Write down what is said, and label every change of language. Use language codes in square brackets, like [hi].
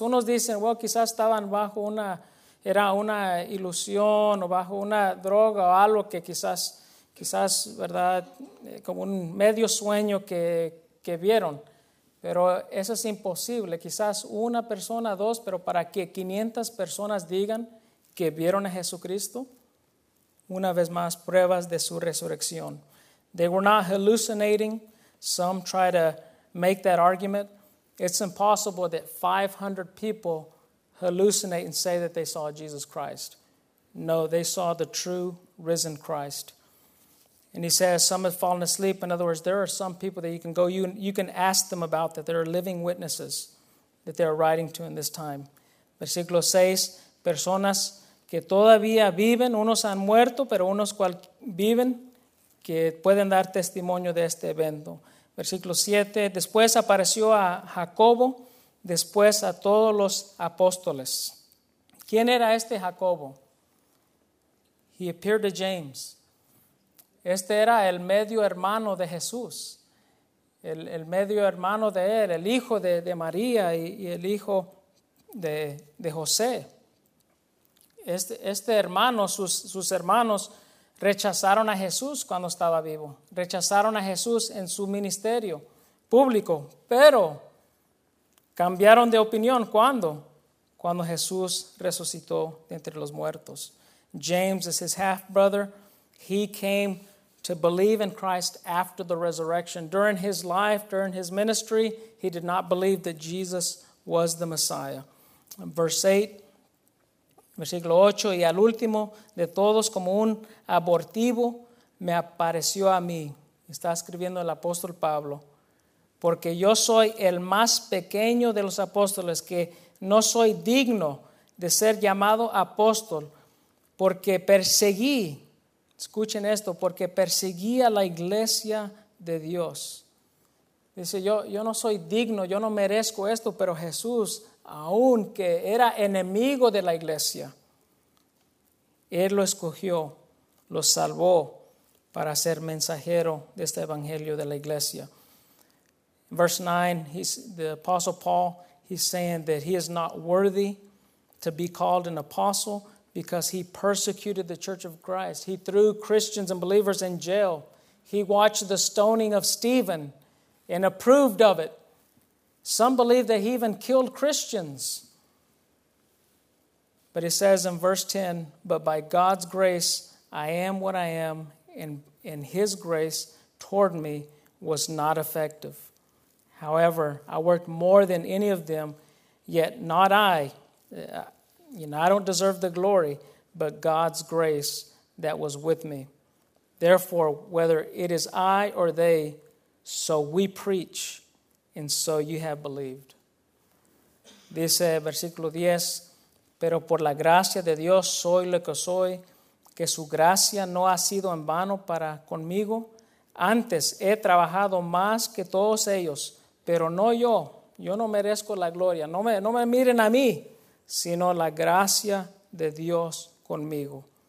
[es] Unos dicen, bueno, quizás estaban bajo una... era una ilusión o bajo una droga o algo que quizás, ¿verdad?, como un medio sueño que vieron. Pero eso es imposible. Quizás una persona, dos, pero para que 500 personas digan que vieron a Jesucristo, una vez más, pruebas de su resurrección. [en] They were not hallucinating. Some try to make that argument. It's impossible that 500 people hallucinate and say that they saw Jesus Christ. No, they saw the true risen Christ. And he says some have fallen asleep. In other words, there are some people that you can go, you can ask them about that. There are living witnesses that they are writing to in this time. [es] Versículo 6, personas que todavía viven, unos han muerto, pero unos cual viven, que pueden dar testimonio de este evento. Versículo 7, después apareció a Jacobo, después a todos los apóstoles. ¿Quién era este Jacobo? [en] He appeared to James. [es] Este era el medio hermano de Jesús. El medio hermano de él, el hijo de María y el hijo de José. Este hermano, sus hermanos rechazaron a Jesús cuando estaba vivo. Rechazaron a Jesús en su ministerio público. Pero cambiaron de opinión, ¿cuándo? Cuando Jesús resucitó de entre los muertos. [en] James is his half-brother. He came to believe in Christ after the resurrection. During his life, during his ministry, he did not believe that Jesus was the Messiah. Verse 8, [es] versículo 8, y al último de todos, como un abortivo, me apareció a mí. Está escribiendo el apóstol Pablo. porque yo soy el más pequeño de los apóstoles, que no soy digno de ser llamado apóstol, porque perseguí, escuchen esto, porque perseguí a la iglesia de Dios. Dice, yo no soy digno, yo no merezco esto, pero Jesús, aunque era enemigo de la iglesia, Él lo escogió, lo salvó para ser mensajero de este evangelio de la iglesia. [en] Verse 9, the apostle Paul, he's saying that he is not worthy to be called an apostle because he persecuted the church of Christ. He threw Christians and believers in jail. He watched the stoning of Stephen and approved of it. Some believe that he even killed Christians. But it says in verse 10, but by God's grace, I am what I am, and his grace toward me was not effective. However, I worked more than any of them, yet not I. You know, I don't deserve the glory, but God's grace that was with me. Therefore, whether it is I or they, so we preach, and so you have believed. [es] Dice versículo 10, pero por la gracia de Dios soy lo que soy, que su gracia no ha sido en vano para conmigo. Antes he trabajado más que todos ellos, pero no yo. Yo no merezco la gloria. No me miren a mí, sino la gracia de Dios conmigo.